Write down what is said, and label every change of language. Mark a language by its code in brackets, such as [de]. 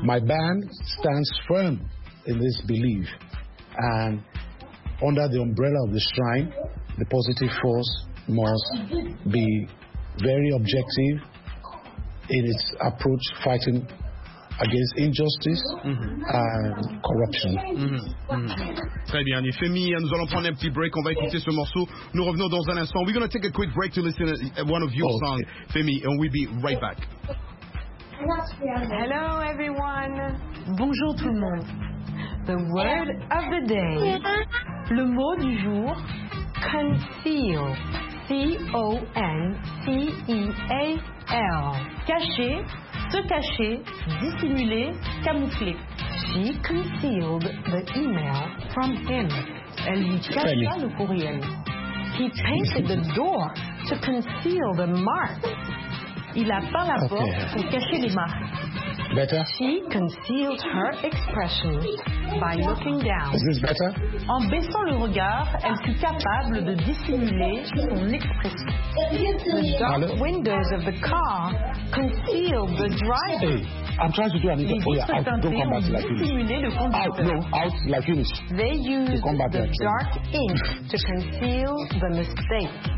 [en] My band stands firm in this belief, and under the umbrella of the shrine, the Positive Force must be very objective in its approach fighting against injustice and corruption. [fr] Très bien, les Femi, nous allons prendre un petit break. On va écouter ce morceau. Nous revenons dans un instant. [en] We're going to take a quick break to listen to one of your songs, Femi, and we'll be right back. Hello, everyone. [fr] Bonjour, tout le monde. [en] The word of the day. [fr] Le mot du jour, [en] conceal. C-O-N-C-E-A-L. [fr] Cacher, se cacher, dissimuler, camoufler. [en] She concealed the email from him. [fr] Elle lui cacha le courriel. [en] He painted the door to conceal the mark. [fr] Il a peint la porte pour cacher les marques. [en] Better? She concealed her expression by looking down. Is this better? [fr] En baissant le regard, elle fut capable de dissimuler son expression. [en] The dark windows of the car concealed the driver. Hey, I'm trying to do an interview. Oh, yeah, don't come back like [fr] this. Dissimuler le conducteur. [en] Out, like this. They used the dark ink to conceal the mistake.